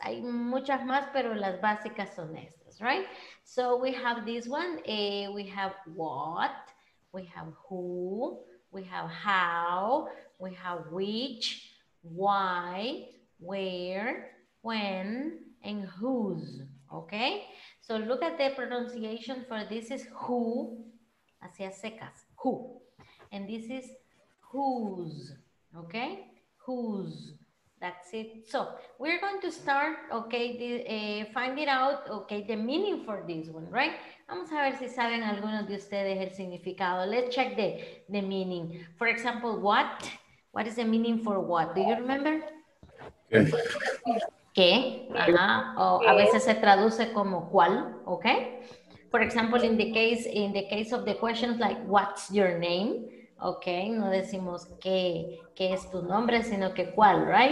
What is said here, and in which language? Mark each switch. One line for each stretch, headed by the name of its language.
Spanish: Hay muchas más, pero las básicas son estas, right?
English: So we have this one. We have what, we have who, we have how, we have which, why, where, when, and whose. Okay? So look at the pronunciation for this is who, hacia secas, who. And this is whose. Okay? Whose. That's it. So we're going to start, okay, find it out, okay, the meaning for this one, right?
Spanish: Vamos a ver si saben algunos de ustedes el significado.
English: Let's check the meaning. For example, what? What is the meaning for what? Do you remember? ¿Qué? Uh-huh.
Spanish: O a veces se traduce como cuál, okay?
English: For example, in the case of the questions like, what's your name?
Spanish: Okay, no decimos qué es tu nombre, sino que cuál, right?